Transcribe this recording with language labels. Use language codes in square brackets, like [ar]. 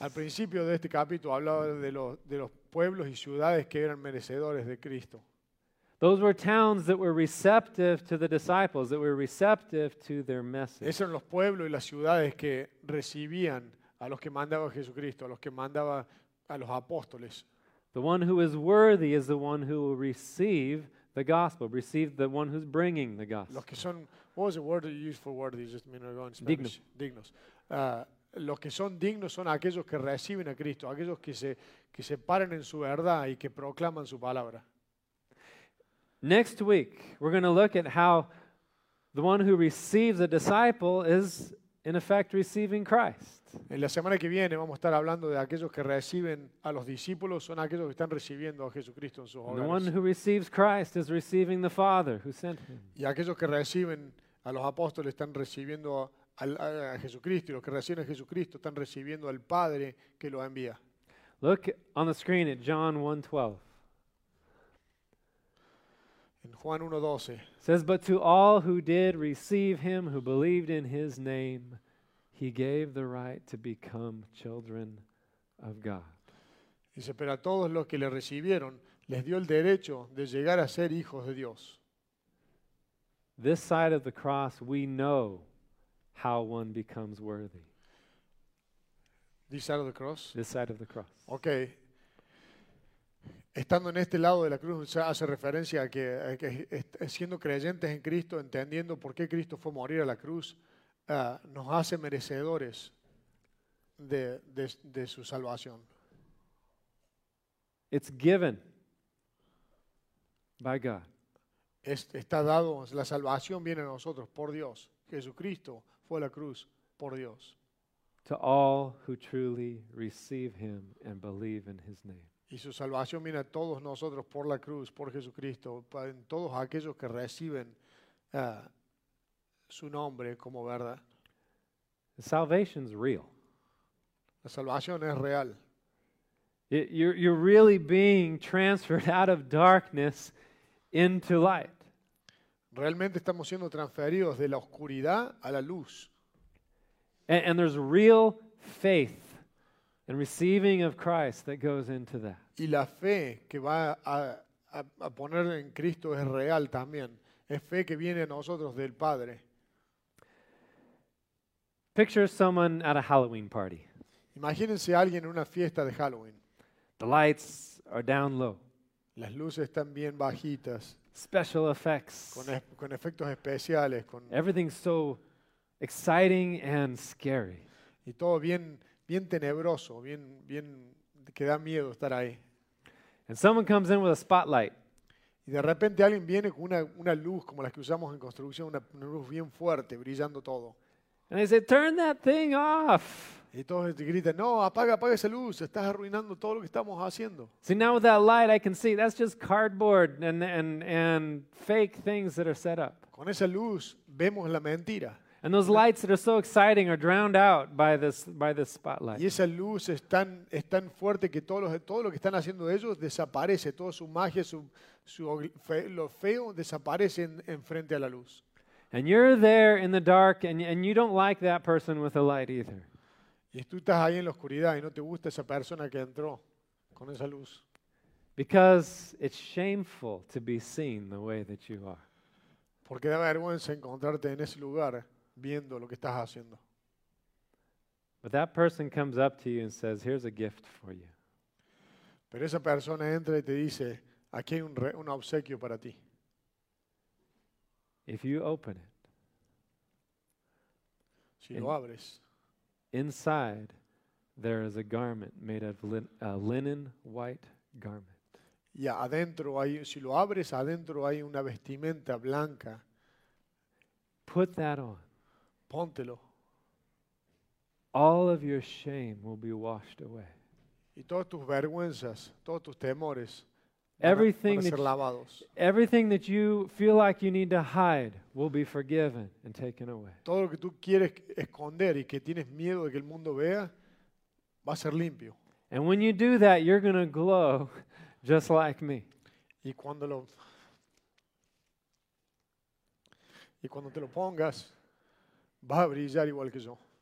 [es] Al principio de este capítulo hablaba de los pueblos y ciudades que eran merecedores de Cristo. [en] Those were towns that were receptive to the disciples, that were receptive to their message. [es] Esos eran los pueblos y las ciudades que recibían a los que mandaba Jesucristo, a los que mandaba a los apóstoles. [en] The one who is worthy is the one who will receive the gospel, receive the one who's bringing the gospel. [es] Los que son, [en] what was the word you used for worthy? [es] Just a minute ago in Spanish. Dignos. Dignos. Los que son dignos son aquellos que reciben a Cristo, aquellos que se paran en su verdad y que proclaman su palabra. [en] Next week, we're going to look at how the one who receives a disciple is, in effect, receiving Christ. [es] En la semana que viene vamos a estar hablando de aquellos que reciben a los discípulos son aquellos que están recibiendo a Jesucristo en sus hogares. [en] The one who receives Christ is receiving the Father who sent him. [es] Y aquellos que reciben a los apóstoles están recibiendo a Jesucristo y los que reciben a Jesucristo están recibiendo al Padre que lo envía. [en] Look on the screen at John 1:12. [es] Juan 1:12 [en] says, but to all who did receive him, who believed in his name, he gave the right to become children of God. [es] Dice, pero a todos los que le recibieron, les dio el derecho de llegar a ser hijos de Dios. [en] This side of the cross, we know how one becomes worthy. This side of the cross? This side of the cross. Okay. [es] Estando en este lado de la cruz, se hace referencia a que siendo creyentes en Cristo, entendiendo por qué Cristo fue a morir a la cruz, nos hace merecedores de su salvación. [en] It's given by God. [es] Está dado, la salvación viene a nosotros por Dios. Jesucristo fue a la cruz por Dios. [en] To all who truly receive him and believe in his name. [es] Y su salvación viene a todos nosotros por la cruz, por Jesucristo, en todos aquellos que reciben su nombre como verdad. [en] The salvation's real. [es] La salvación es real. [en] You're really being transferred out of darkness into light. [es] Realmente estamos siendo transferidos de la oscuridad a la luz. [en] And there's real faith and receiving of Christ that goes into that. [es] Y la fe que va a poner en Cristo es real también. Es fe que viene a nosotros del Padre. [en] Picture someone at a Halloween party. [es] Imagínense a alguien en una fiesta de Halloween. [en] The lights are down low. [es] Las luces están bien bajitas. [en] Special effects. [es] Con efectos especiales. [en] Everything's so exciting and scary. [es] Y todo bien, bien tenebroso, bien, bien que da miedo estar ahí. [en] And someone comes in with a spotlight. [es] Y de repente alguien viene con una luz como las que usamos en construcción, una luz bien fuerte, brillando todo. [en] And they say, turn that thing off. [es] Y todos gritan, no, apaga esa luz, estás arruinando todo lo que estamos haciendo. [en] See, now with that light I can see, that's just cardboard and fake things that are set up. [es] Con esa luz vemos la mentira. [en] And those lights that are so exciting are drowned out by this spotlight. [es] Y esa luz es tan fuerte que todo lo que están haciendo ellos desaparece, toda su magia, lo feo desaparece en frente a la luz. [en] And you're there in the dark and you don't like that person with the light either. [es] Y tú estás ahí en la oscuridad y no te gusta esa persona que entró con esa luz. [en] Because it's shameful to be seen the way that you are. [es] Porque da vergüenza encontrarte en ese lugar viendo lo que estás haciendo. [en] But that person comes up to you and says, here's a gift for you. [es] Pero esa persona entra y te dice, aquí hay un obsequio para ti. [en] If you open it, [es] si lo abres, [en] inside there is a garment made of a linen white garment. [es] Ya, adentro hay, si lo abres, adentro hay una vestimenta blanca. [en] Put that on. [es] Póntelo. [en] All of your shame will be washed away. [es] Y todas tus vergüenzas, todos tus temores, [en] everything [es] van a ser lavados. [en] Everything that you feel like you need to hide will be forgiven and taken away. [es] Todo lo que tú quieres esconder y que tienes miedo de que el mundo vea va a ser limpio. [en] And when you do that, you're going to glow just like me. [es] Y cuando te lo pongas, va a brillar igual que yo.